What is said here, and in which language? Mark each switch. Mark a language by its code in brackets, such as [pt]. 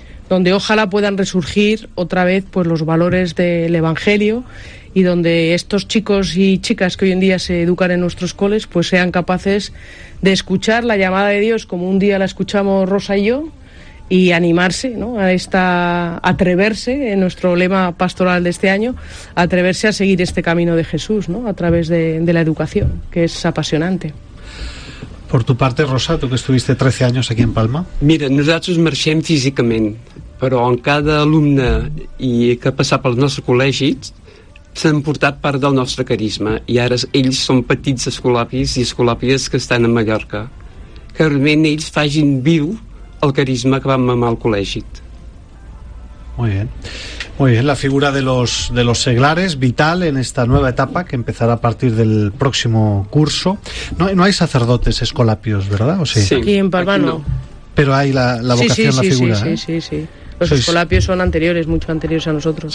[es] donde ojalá puedan resurgir otra vez pues los valores del evangelio, y donde estos chicos y chicas que hoy en día se educan en nuestros coles pues sean capaces de escuchar la llamada de Dios como un día la escuchamos Rosa y yo, y animarse, ¿no?, a esta atreverse, en nuestro lema pastoral de este año, atreverse a seguir este camino de Jesús, ¿no?, a través de la educación, que es apasionante. Por tu parte, Rosa, tu que estuviste 13 anys aquí en Palma. [ca] Mira, nosaltres marxem físicament, però en cada alumne i que ha passat pels nostres col·legis s'han portat part del nostre carisma i ara ells són petits escolapis i escolàpies que estan a Mallorca, que realment ells facin viu el carisma que van mamar al col·legi. [es] Muy bien, la figura de los seglares, vital en esta nueva etapa que empezará a partir del próximo curso. No hay sacerdotes escolapios, ¿verdad? ¿O sí? Sí, aquí en Palma no. Pero hay la vocación, sí, la figura. Sí, ¿eh? Sí. Los escolapios son anteriores, mucho anteriores a nosotros.